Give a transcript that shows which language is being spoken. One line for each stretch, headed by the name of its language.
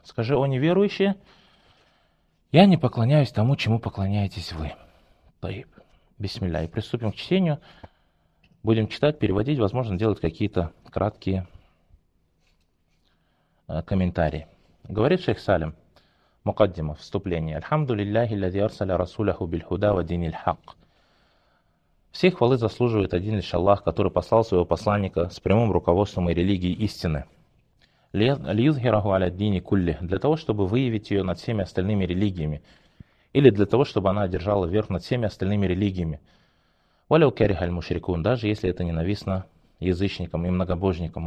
Russian: «Скажи, о неверующие, я не поклоняюсь тому, чему поклоняетесь вы». Таиб. Бисмилля. И приступим к чтению. Будем читать, переводить, возможно, делать какие-то краткие комментарии. Говорит шейх Салим.
Arabic: مقدمة
Russian: вступление
Arabic: الحمد لله الذي أرسل رسوله بالهدى ودين الحق.
Russian: Все хвалы заслуживает один лишь Аллах, который послал своего посланника с прямым руководством и религией истины.
Arabic: Лиюзхираху аля дини кулли,
Russian: для того, чтобы выявить ее над всеми остальными религиями. или для того, чтобы она одержала верх над всеми остальными религиями.
Arabic: Валяу керихаль мушрикун,
Russian: даже если это ненавистно язычникам и многобожникам.